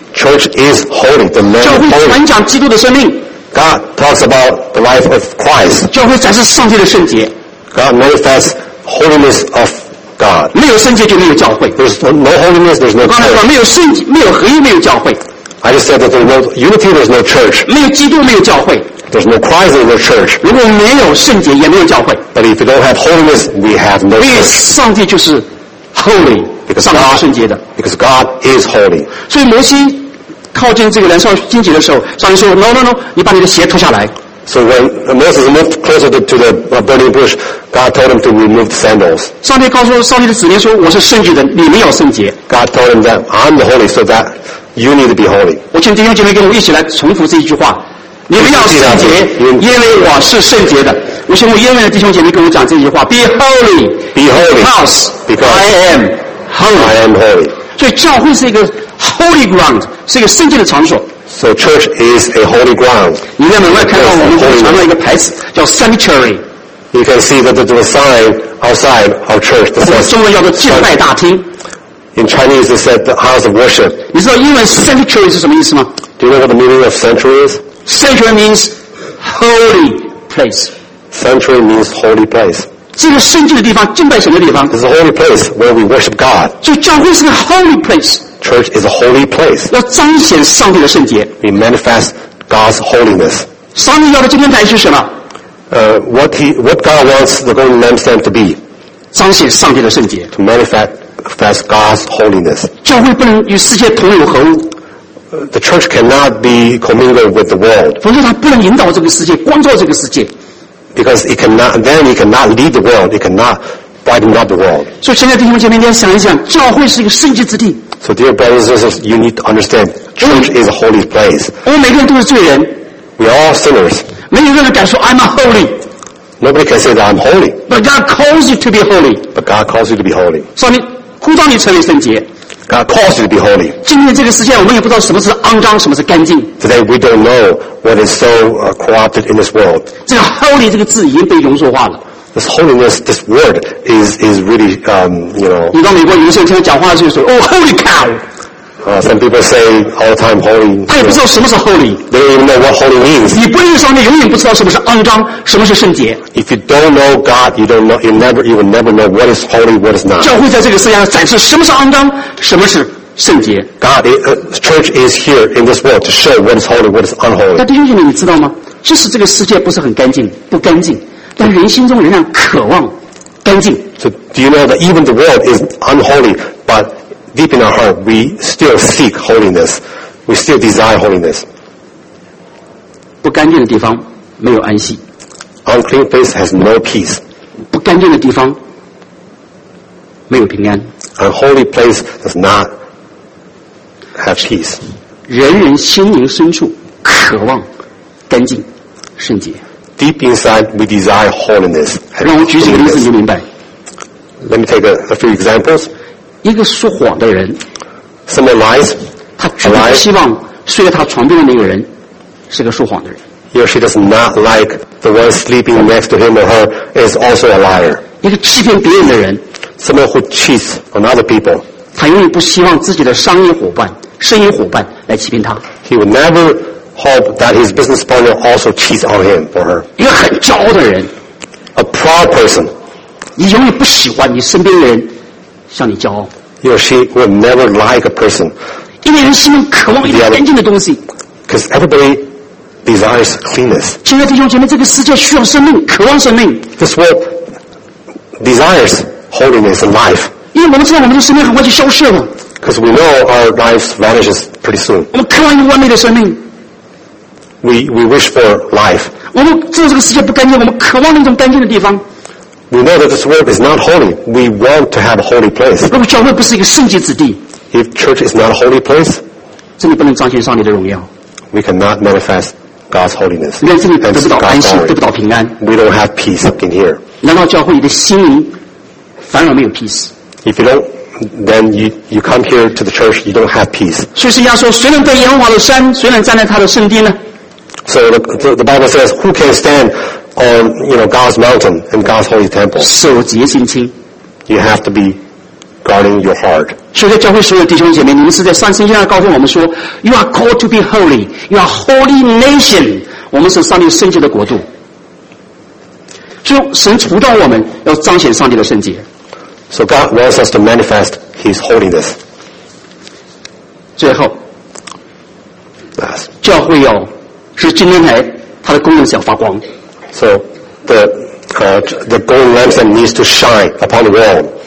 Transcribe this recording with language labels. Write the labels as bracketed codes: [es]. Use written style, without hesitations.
[en] Church is holy. The land of holy. [zh] 教会传讲基督的生命。 [en] God talks about the life of Christ. [zh] 教会才是上帝的圣洁。 [en] God manifests holiness of God. [zh] 没有圣洁就没有教会。 [en] There's no holiness, there's no church. [zh] 刚才说没有圣洁，没有合一，没有教会。 [en] I just said that there's no unity, there's no church. [zh] 没有基督，没有教会。 [en] There's no Christ, there's no church. [zh] 如果没有圣洁，也没有教会。 [en] But if we don't have holiness, we have no church. [zh] 因为上帝就是 holy, 上帝是圣洁的。 [en] Because God is holy. [zh] 所以摩西靠近这个燃烧荆棘的时候，上帝说 No, 你把你的鞋脱下来。 [en] So when Moses moved closer to the burning bush, God told him to remove the sandals. [zh] 上帝告诉上帝的子民说，我是圣洁的，你们要圣洁。 [en] God told him that I'm the holy, so that you need to be holy. [zh] 我请弟兄姐妹跟我一起来重复这一句话，你们要圣洁，因为我是圣洁的。我请我英文的弟兄姐妹跟我讲这句话， [en] Be holy, be holy, because I am holy. [zh] 所以教会是一个 [en] Holy ground [zh] 是一个圣洁的场所。 [en] So church is a holy ground. [zh] 你在门外看到我们会传到一个牌子叫 sanctuary. [en] You can see that the sign outside our church. [zh] 我们中文叫做敬拜大厅。 [en] In Chinese, it said the house of worship. [zh] 你知道英文 sanctuary 是什么意思吗？ [en] Do you know what the meaning of sanctuary is? Sanctuary means holy place. Sanctuary means holy place. [zh] 这个圣洁的地方，敬拜神的地方。 [en] It's a holy place where we worship God. [zh] 就教会是个 [en] holy place. Church is a holy place. [zh] 要彰显上帝的圣洁。 [en] We manifest God's holiness. [zh] 上帝要的金灯台是什么？ [en] What God wants the golden lampstand to be? [zh] 彰显上帝的圣洁。 [en] To manifest God's holiness. [zh] 教会不能与世界同流合污。 [en] The church cannot be commingled with the world. [zh] 否则它不能引导这个世界，光照这个世界。 [en] Because it cannot, then it cannot lead the world. It cannot brighten up the world. [zh] 所以现在弟兄姐妹，你要想一想，教会是一个圣洁之地。 [en] So dear brothers and sisters, you need to understand church is a holy place. [zh] 我们每个人都是罪人。 [en] We are all sinners. [zh] 没有人敢说 [en] I'm a holy. Nobody can say that I'm holy. But God calls you to be holy. But God calls you to be holy. [zh] 上帝呼召你成为圣洁。 [en] God calls you to be holy. [zh] 今天这个世界我们也不知道什么是肮脏，什么是干净。 [en] Today we don't know what is so corrupted in this world. [zh] 这个 holy 这个字已经被庸俗化了。 [en] This holiness, this word is really, you know. [zh] 你到美国有的时候听他讲话就说 ， [en] Oh, holy cow! Some people say all the time holy. [zh] 他也不知道什么是 holy. [en] They don't even know what holy means. [zh] 你不认识上帝，永远不知道什么是肮脏，什么是圣洁。 [en] If you don't know God, you don't know. You will never know what is holy, what is not. [zh] 教会在这个世界上展示什么是肮脏，什么是圣洁。 [en] God, church is here in this world to show what is holy, what is unholy. [zh] 那弟兄姐妹，你知道吗？即使这个世界不是很干净，不干净。但人心中仍然渴望干净。 [en] So do you know that even the world is unholy, but deep in our heart, we still seek holiness. We still desire holiness. [zh] 不干净的地方没有安息。 [en] Unclean place has no peace. [zh] 不干净的地方没有平安。 [en] Unholy place does not have peace. [zh] 人人心灵深处渴望干净、圣洁。 [en] Deep inside, we desire holiness. [zh] 让我举几个例子，你就明白。 [en] Let me take a few examples. [zh] 一个说谎的人 [en] ，someone lies. [zh] 他绝对不希望睡在他床边的那个人是个说谎的人。 [en] He or she does not like the one sleeping next to him or her is also a liar. [zh] 一个欺骗别人的人 [en] ，someone who cheats on other people. [zh] 他永远不希望自己的商业伙伴、生意伙伴来欺骗他。 [en] He will never. Hope that his business partner also cheats on him or her. [zh] 一个很骄傲的人 [en] ，a proud person. [zh] 你永远不喜欢你身边的人向你骄傲。 [en] He or she will never like a person. [zh] 因为人心中渴望一个干净的东西。 [en] Because everybody desires cleanness. [zh] 亲爱的弟兄姐妹，这个世界需要生命，渴望生命。 [en] This world desires holiness and life. [zh] 因为我们知道我们的生命很快就消失了。 [en] Because we know our life vanishes pretty soon. [zh] 我们渴望一个完美的生命。 [en] We wish for life. [zh] 我们知道这个世界不干净，我们渴望那种干净的地方。 [en] We know that this world is not holy. We want to have a holy place. [zh] 如果教会不是一个圣洁之地 [en] ，If church is not a holy place, [zh] 这里不能彰显上帝的荣耀。 [en] We cannot manifest God's holiness. [zh] 你看这里得不到安息，得不到平安。 [en] We don't have peace in here. [zh] 难道教会你的心灵反而没有 peace? [en] If you don't, then you come here to the church, you don't have peace. [zh] 所以要说，谁能登耶和华的山？谁能站在他的圣地呢？ [en] So the Bible says, who can stand on, you know, God's mountain and God's holy temple? [zh] 守节心清。 [en] You have to be guarding your heart. [zh] 现在教会所有弟兄姐妹，你们是在上圣经上告诉我们说 ， [en] You are called to be holy. You are holy nation. [zh] 我们是上帝圣洁的国度。就神呼召我们要彰显上帝的圣洁。 [en] So God wants us to manifest His holiness. [zh] 最后， [en] Last. [zh] 教会要是金灯台，它的功能是要发光。 [en] So the golden lampstand needs to shine upon the wall.